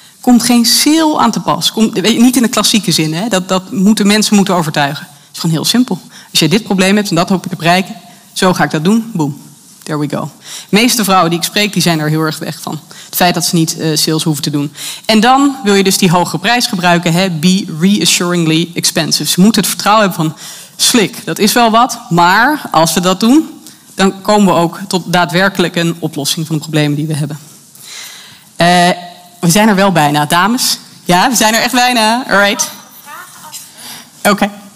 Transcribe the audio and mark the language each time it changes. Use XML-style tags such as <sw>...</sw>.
<nl>Komt geen sale aan te pas. Niet in de klassieke zin. Hè? Dat moeten mensen moeten overtuigen. Het is gewoon heel simpel. Als jij dit probleem hebt en dat hoop je te bereiken, zo ga ik dat doen. Boom.</nl> <en>There we go.</en> <nl>De meeste vrouwen die ik spreek, die zijn er heel erg weg van. Het feit dat ze niet sales hoeven te doen. En dan wil je dus die hoge prijs gebruiken. Hè?</nl> <en>Be reassuringly expensive.</en> <nl>Ze moeten het vertrouwen hebben van, slik, dat is wel wat. Maar als we dat doen, dan komen we ook tot daadwerkelijk een oplossing van de problemen die we hebben. We zijn er wel bijna, dames. Ja, we zijn er echt bijna.</nl> <en>All right.</en> <nl>Oké.</nl>